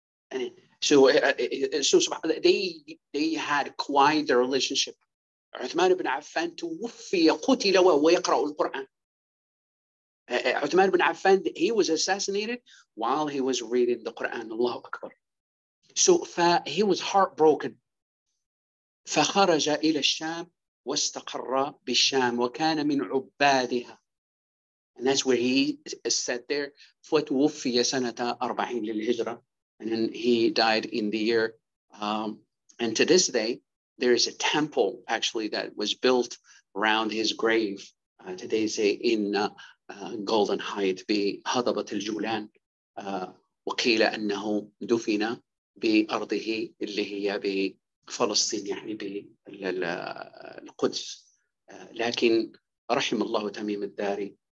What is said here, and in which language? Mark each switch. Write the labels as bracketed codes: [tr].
[en] And so they had quite the relationship. [ar] Uthman ibn Affan tuwfiya qutila wa huwa yaqra'u al-Quran. [en] Uthman ibn Affan, he was assassinated while he was reading the Quran. Allahu Akbar. So he was heartbroken. [ar] فخرج إلى الشام واستقر بالشام وكان من عبادها. [en] And that's where he sat there. [ar] فتوفي سنة 40 للهجرة. [en] And then he died in the year. And to this day, there is a temple actually that was built around his grave. Today say in Golden Heights [ar] بهضبة الجولان وقيل أنه دفن بأرضه اللي هي بفلسطين يعني بالقدس لكن رحم الله تميم الداري